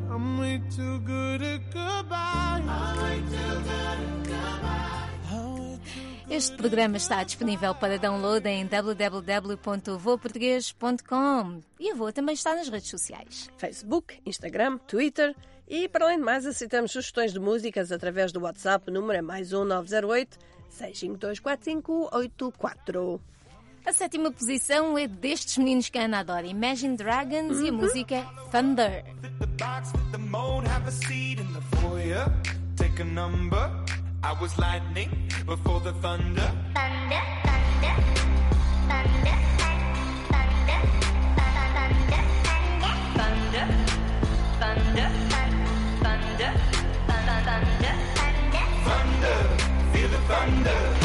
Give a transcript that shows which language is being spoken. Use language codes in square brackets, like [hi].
[en] I'm way too good at goodbye. I'm way too good at goodbye. [pt] Este programa está disponível para download em www.voaportugues.com. E a Voa também está nas redes sociais: Facebook, Instagram, Twitter. E para além de mais, aceitamos sugestões de músicas através do WhatsApp. O número é mais 1908-652-4584. A sétima posição é destes meninos que a Ana adora, Imagine Dragons, e a música Thunder. [en] The box, the mold, have a seat in the foyer. Take a number, I was lightning before the thunder. Thunder, thunder, thunder, thunder, thunder, thunder, thunder, thunder, thunder, thunder, thunder, thunder, thunder, thunder, feel the thunder.